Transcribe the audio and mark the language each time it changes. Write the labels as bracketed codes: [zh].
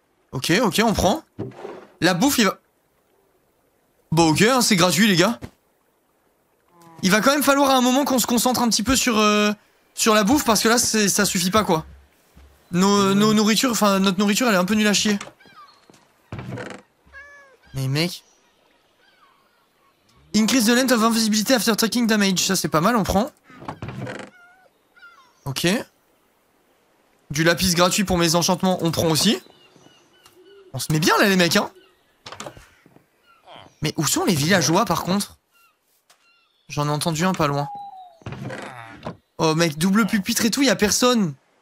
[fr] Ok, ok, on prend. La bouffe, il va... Bon, ok, hein, c'est gratuit, les gars. Il va quand même falloir à un moment qu'on se concentre un petit peu sur... sur la bouffe, parce que là, c'est, ça suffit pas, quoi. Nos nourritures, enfin, notre nourriture, elle est un peu nulle à chier. Mais mec... [en] Increase the length of invisibility after taking damage. [fr] Ça, c'est pas mal, on prend. Ok. Du lapis gratuit pour mes enchantements, on prend aussi. On se met bien, là, les mecs, hein. Mais où sont les villageois, par contre? J'en ai entendu un pas loin. Oh, mec, double pupitre et tout, y'a personne.